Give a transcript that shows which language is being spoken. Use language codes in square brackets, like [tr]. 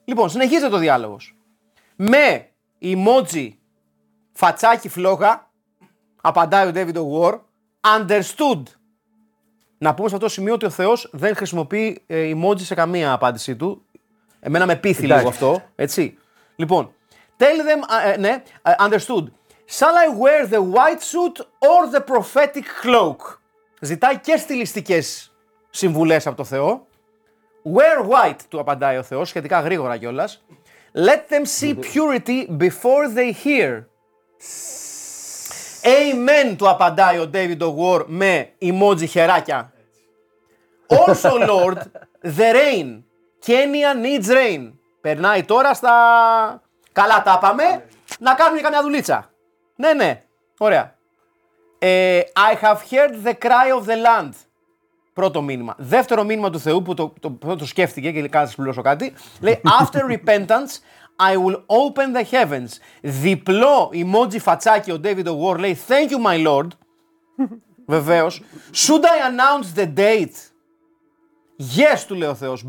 [el] Λοιπόν, συνεχίζεται ο διάλογος. Με emoji φατσάκι φλόγα απαντάει ο David O'War. [en] Understood. [el] Να πούμε σε αυτό το σημείο ότι ο Θεός δεν χρησιμοποιεί emoji σε καμία απάντησή του. Εμένα με πείθει λίγο αυτό. Έτσι. Λοιπόν, [en] tell them, [el] ναι, [en] understood. Shall I wear the white suit or the prophetic cloak? [el] Ζητάει και στιλιστικές συμβουλές από το Θεό. [en] Wear white, [el] του απαντάει ο Θεός, σχετικά γρήγορα κιόλας. [en] Let them see purity before they hear. [el] Amen, του απαντάει ο David O'War με emoji χεράκια. [en] Also, Lord, the rain. Kenya needs rain. [el] Περνάει τώρα στα... Καλά τα πάμε. Να κάνουμε καμιά δουλίτσα. Ναι, ναι. Ωραία. [en] I have heard the cry of the land. [el] Πρώτο μήνυμα. Δεύτερο μήνυμα του Θεού που το σκέφτηκε και κάνει να σα πληρώσω κάτι. Λέει, [en] after repentance, I will open the heavens. [el] Διπλό emoji φατσάκι ο David O'War λέει [en] Thank you, my lord. [el] Βεβαίως. [en] Should I announce the date? Yes, [el] του λέει ο Θεός.